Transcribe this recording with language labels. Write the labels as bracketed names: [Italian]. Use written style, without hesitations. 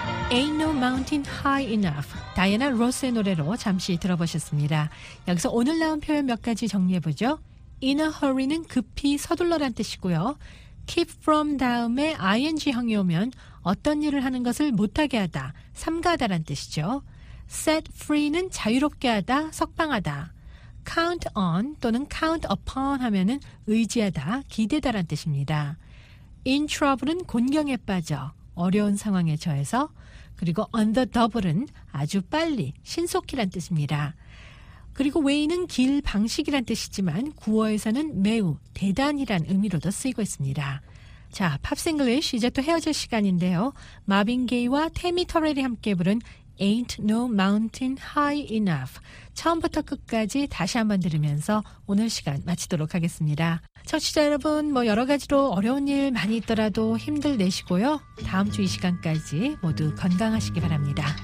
[English] Ain't no mountain high enough. [Korean] 다이애나 로스의 노래로 잠시 들어보셨습니다. 여기서 오늘 나온 표현 몇 가지 정리해보죠. In a hurry는 급히 서둘러란 뜻이고요. Keep from 다음에 ing형이 오면 어떤 일을 하는 것을 못하게 하다, 삼가하다란 뜻이죠. Set free는 자유롭게 하다, 석방하다. Count on 또는 count upon 하면은 의지하다, 기대다란 뜻입니다. In trouble은 곤경에 빠져, 어려운 상황에 처해서. 그리고 on the double은 아주 빨리, 신속히란 뜻입니다. 그리고 way는 길, 방식이란 뜻이지만 구어에서는 매우, 대단이란 의미로도 쓰이고 있습니다. 자, 팝싱글리쉬 이제 또 헤어질 시간인데요. 마빈 게이와 태미 터렐이 함께 부른 [English] Ain't no mountain high enough. [Korean] 처음부터 끝까지 다시 한번 들으면서 오늘 시간 마치도록 하겠습니다. 청취자 여러분, 뭐 여러 가지로 어려운 일 많이 있더라도 힘들내시고요. 다음 주 이 시간까지 모두 건강하시기 바랍니다.